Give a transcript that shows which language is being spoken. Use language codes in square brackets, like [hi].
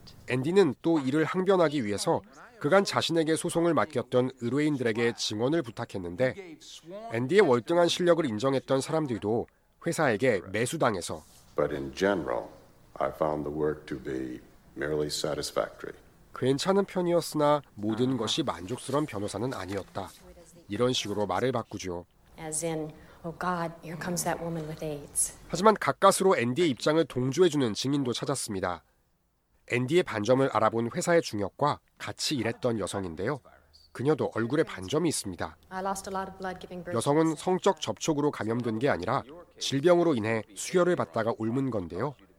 [ko] 앤디는 또 이를 항변하기 위해서 그간 자신에게 소송을 맡겼던 의뢰인들에게 증언을 부탁했는데 앤디의 월등한 실력을 인정했던 사람들도 회사에게 매수당해서 [en] But in general, I found the work to be merely satisfactory. [ko] 괜찮은 편이었으나 모든 것이 만족스러운 변호사는 아니었다. 이런 식으로 말을 바꾸죠. [en] As in, oh God, here comes that woman with AIDS. [ko] 하지만 가까스로 앤디의 입장을 동조해주는 증인도 찾았습니다. 앤디의 반점을 알아본 회사의 중역과 같이 일했던 여성인데요. 그녀도 얼굴에 반점이 있습니다. 여성은 성적 접촉으로 감염된 게 아니라 질병으로 인해 수혈을 받다가 옮은 건데요.